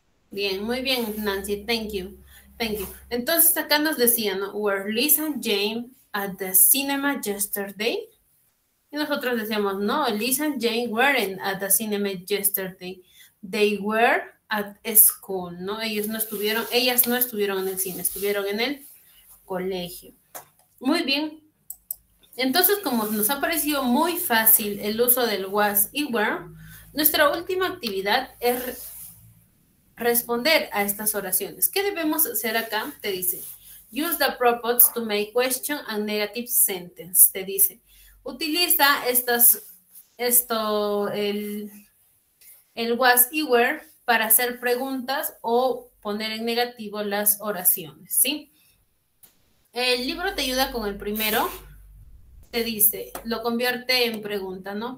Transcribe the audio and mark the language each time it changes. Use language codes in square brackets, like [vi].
[es] Bien, muy bien, [en] Nancy. Thank you. Thank you. [es] Entonces, acá nos decían, [en] were Liz and Jane at the cinema yesterday? [es] Y nosotros decíamos, no, [en] Liz and Jane weren't at the cinema yesterday. They were at school, ¿no? [es] Ellas no estuvieron en el cine, estuvieron en el colegio. Muy bien, entonces como nos ha parecido muy fácil el uso del was y were, nuestra última actividad es responder a estas oraciones. ¿Qué debemos hacer acá? Te dice, [en] use the props to make question and negative sentence. [es] Te dice, utiliza el was y were para hacer preguntas o poner en negativo las oraciones, ¿sí? El libro te ayuda con el primero, te dice, lo convierte en pregunta, ¿no?